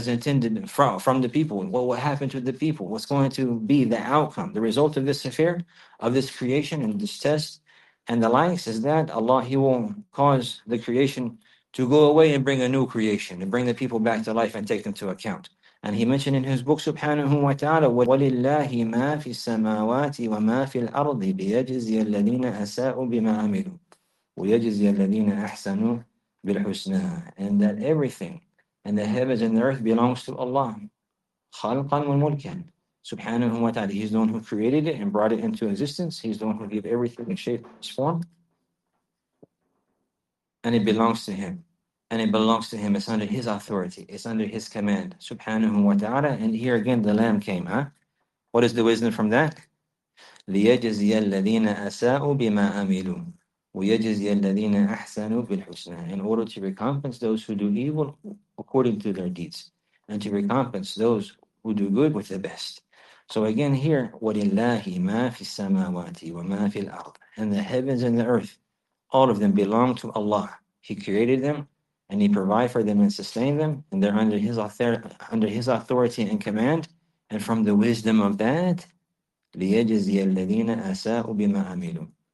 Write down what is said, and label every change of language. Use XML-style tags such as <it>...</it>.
<en>What is intended for the people, what will happen to the people, what's going to be the outcome, the result of this affair, of this creation and this test and the likes, is that Allah, he will cause the creation to go away and bring a new creation and bring the people back to life and take them to account. And he mentioned in his book, subhanahu wa ta'ala,</en> <ar>وَلِلَّهِ مَا فِي السَّمَاوَاتِ وَمَا فِي الْأَرْضِ بِيَجْزِيَ الَّذِينَ أَسَاءُوا بِمَا عَمِلُوا وَيَجْزِيَ الَّذِينَ أَحْسَنُوا بِالْحُسْنَى.</ar> <en>And that everything in the heavens and the earth belongs to Allah,</en> <ar>خَلْقًا وَمُلْكًا</ar> <en>subhanahu wa ta'ala. He's the one who created it and brought it into existence. He's the one who gave everything in shape and form. And it belongs to him. It's under his authority. It's under his command, subhanahu wa ta'ala. And here again, the lamb came. Huh? What is the wisdom from that?</en> <ar>لِيَجْزِيَ الَّذِينَ أَسَاءُوا بِمَا عَمِلُوا وَيَجْزِيَ الَّذِينَ أَحْسَنُوا بِالْحُسْنَى.</ar> <en>In order to recompense those who do evil according to their deeds, and to recompense those who do good with the best. So again here,</en> <ar>وَلِلَّهِ مَا فِي السَّمَاوَاتِ وَمَا فِي الْأَرْضِ.</ar> <en>And the heavens and the earth, all of them belong to Allah. He created them, and he provide for them and sustain them, and they're under his authority and command. And from the wisdom of that,</en> <ar>لِيَجْزِيَ الَّذِينَ أَسَاءُوا بِمَا عَمِلُوا.</ar>